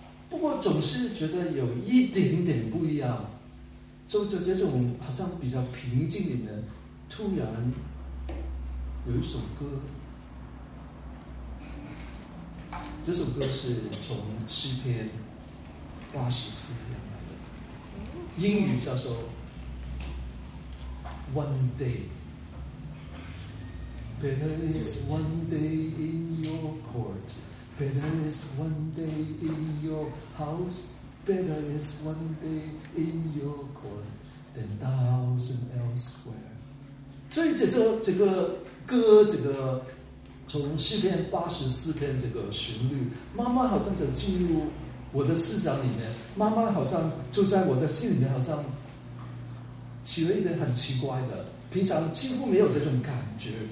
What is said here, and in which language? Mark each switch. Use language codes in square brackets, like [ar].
[zh] 不过总是觉得有一点点不一样，就是这种好像比较平静里面突然有一首歌，这首歌是从诗篇84篇来的，英语叫做 One Day。 [en] Better is one day in your court, Better is one day in your house, Better is one day in your court than thousand elsewhere。 [zh] 所以这个歌，这个从84篇这个旋律慢慢好像就进入我的思想里面，慢慢好像就在我的心里面好像起了一点很奇怪的，平常几乎没有这种感觉，